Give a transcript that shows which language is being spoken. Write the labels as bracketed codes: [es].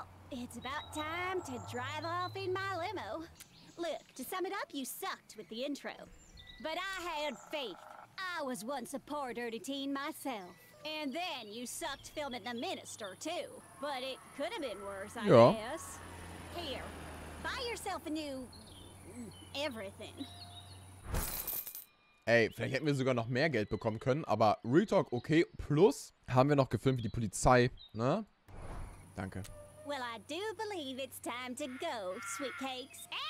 [en] It's about time to drive off in my limo. Look, to sum it up, you sucked with the intro. But I had faith. I was once a poor dirty teen myself. And then you sucked filming the minister, too. But it could have been worse, I guess. Here, buy yourself a new Leuten everything. [de] Ey, vielleicht hätten wir sogar noch mehr Geld bekommen können, aber [en] Real Talk, [de] okay. Plus haben wir noch gefilmt wie die Polizei, ne? Danke. [en] Well, I do believe it's time to go, sweet cakes.